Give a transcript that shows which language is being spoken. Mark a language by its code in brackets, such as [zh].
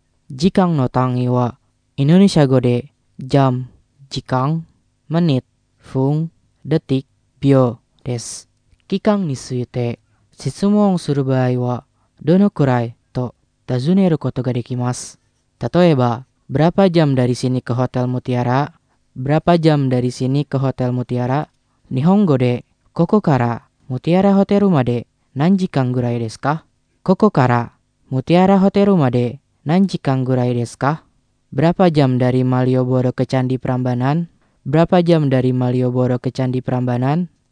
[ja] 時間の単位は、インドネシア語で、jam、時間、menit、分、detik、秒です。期間について、質問をする場合は、どのくらいと尋ねることができます。 [id] 例えば、berapa jam dari sini ke Hotel Mutiara? Berapa jam dari sini ke Hotel Mutiara? [ja] 日本語で、ここから、Mutiara Hotel まで、何時間ぐらいですか？ここから、Mutiara Hotel まで、何時間ぐらいですか? [id] Berapa jam dari Malioboro ke Candi Prambanan? Berapa jam dari Malioboro ke Candi Prambanan?